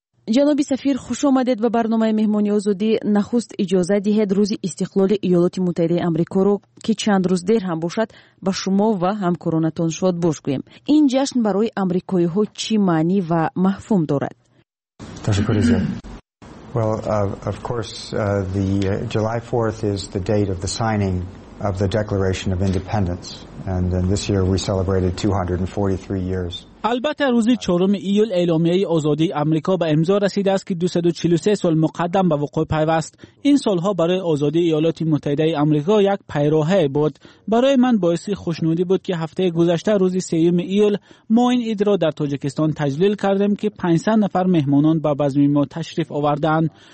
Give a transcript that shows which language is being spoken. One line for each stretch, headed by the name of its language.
Persian: جناب سفیر، خوش آمدید به برنامه مهمانی آزادی. نخست اجازه دهید روز استقلال ایالات متحده آمریکا رو که چند روز دیر هم باشد با شما و همکارانتون شاد باش گویم. این جشن برای آمریکایی ها چی معنی و مفهوم دارد؟ تشکر از شما.
English: Well, of course, the July 4th is the date of the signing of the Declaration of Independence, and then this year we celebrated 243 years.
Persian: البته روز 4 ایول اعلامیه آزادی آمریکا به امضا رسیده است که 243 سال مقدم به وقوع پیوست. این سالها برای آزادی ایالات متحده آمریکا یک پیروهه بود. برای من باعث خوشنودی بود که هفته گذشته روز 3 ایول ما این عید را در تاجیکستان تجلیل کردیم که 500 نفر مهمانان به بزم ما تشریف آوردند.